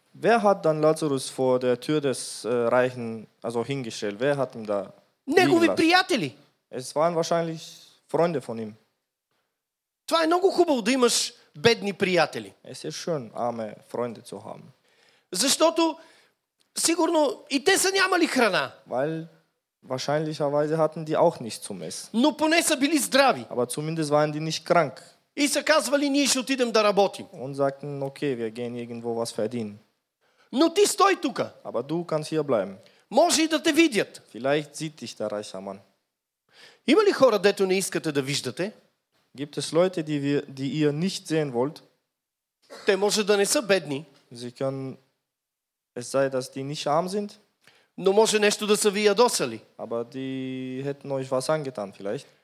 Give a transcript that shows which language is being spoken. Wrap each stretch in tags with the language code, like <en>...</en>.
<de>Wer hat dann Lazarus vor der Tür des Reichen also hingestellt? Wer hat ihn da?</de> <bg>Негови приятели.</bg> <de>Es waren wahrscheinlich Freunde von ihm.</de> <bg>Това е много хубаво да имаш бедни приятели.</bg> <de>Es ist schön, arme Freunde zu haben.</de> <bg>Защото сигурно и те са нямали храна.</bg> <de>Weil wahrscheinlicherweise hatten die auch nichts zum Essen.</de> <bg>Но поне са били здрави.</bg> <de>Aber zumindest waren die nicht krank.</de> <bg>И са казвали, ние ще отидем да работим.</bg> <de>Und sagten, okay, wir gehen irgendwo was verdienen.</de> <bg>Но ти стой тука.</bg> <de>Aber du kannst hier bleiben.</de> <bg>Може и да те видят.</bg> <de>Vielleicht sieht dich der reiche Mann.</de> <bg>Има ли хора, дето не искате да виждате?</bg> <de>Gibt es Leute, die ihr nicht sehen wollt?</de> <bg>Те може да не са бедни.</bg> <de>Sie können, es sei, dass die nicht arm sind.</de> <bg>Но може нещо да са ви ядосали.</bg> <de>Aber die hätten euch was angetan, vielleicht.</de>